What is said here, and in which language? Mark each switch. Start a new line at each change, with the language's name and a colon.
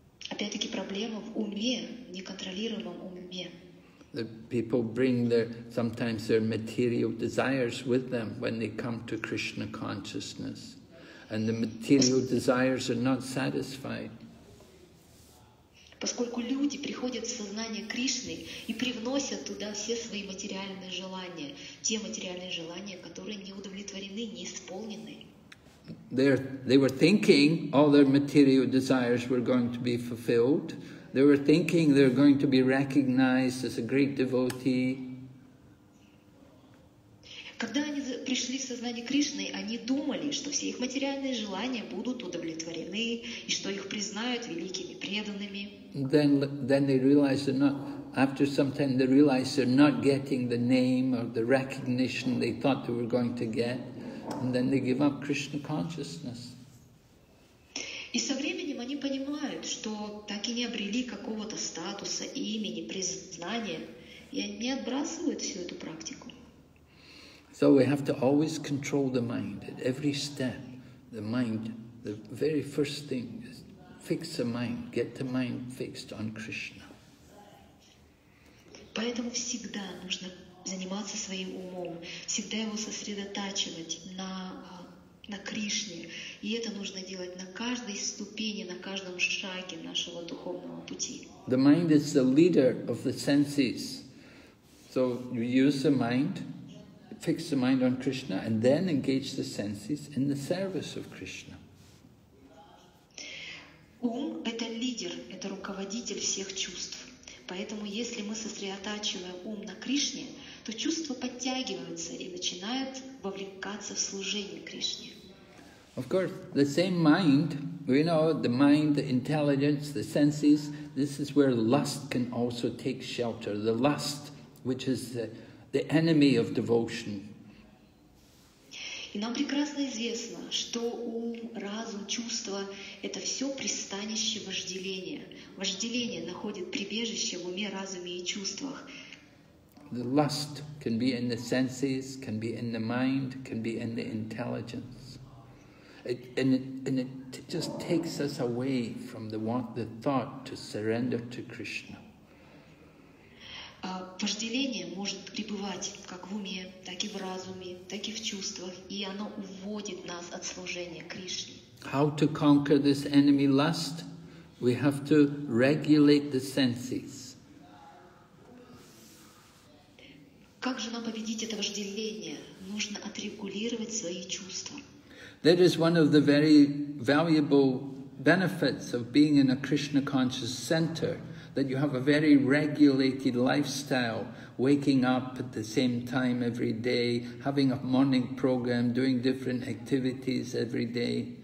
Russian: Опять-таки проблема в уме, неконтролируемом уме.
English: The people bring their sometimes their material desires with them when they come to Krishna consciousness, and the material desires are not satisfied.
Russian: Поскольку люди приходят в сознание Кришны и привносят туда все свои материальные желания, те материальные желания, которые не удовлетворены, не исполнены.
English: They were thinking all their material desires were going to be fulfilled. They were thinking they're going to be recognized as a great devotee.
Russian: Когда они пришли в сознание Кришны, они думали, что все их материальные желания будут удовлетворены и что их признают великими преданными.
English: Then they realize they're not. After some time, they realize they're not getting the name or the recognition they thought they were going to get, and then they give up Krishna consciousness.
Russian: И со временем они понимают, что так и не обрели какого-то статуса, имени, признания, и они отбрасывают всю эту практику.
English: So we have to always control the mind at every step. The mind, the very first thing is fix the mind, get the mind fixed on Krishna.
Russian: Поэтому всегда нужно заниматься своим умом, всегда его сосредотачивать на Кришне. И это нужно делать на каждой ступени, на каждом шаге нашего духовного пути.
English: The mind is the leader of the senses. So you use the mind, fix the mind on Krishna, and then engage the senses in the service of Krishna.
Russian: Ум — это лидер, это руководитель всех чувств. Поэтому если мы сосредотачиваем ум на Кришне, то чувства подтягиваются и начинают вовлекаться в служение Кришне.
English: Of course, the same mind, we know the mind, the intelligence, the senses, this is where lust can also take shelter. The lust, which is the enemy of devotion.
Russian: И нам прекрасно известно, что ум, разум, чувства — это все пристанище вожделения. Вожделение находит прибежище в уме, разуме и чувствах.
English: The lust can be in the senses, can be in the mind, can be in the intelligence. It just takes us away from the thought to surrender to Krishna.
Russian: Вожделение может пребывать как в уме, так и в разуме, так и в чувствах, и оно уводит нас от служения Кришне.
English: How to conquer this enemy lust? We have to regulate the senses.
Russian: Как же нам победить это вожделение? Нужно отрегулировать свои чувства.
English: That is one of the very valuable benefits of being in a Krishna conscious center, that you have a very regulated lifestyle, waking up at the same time every day, having a morning program, doing different activities every day.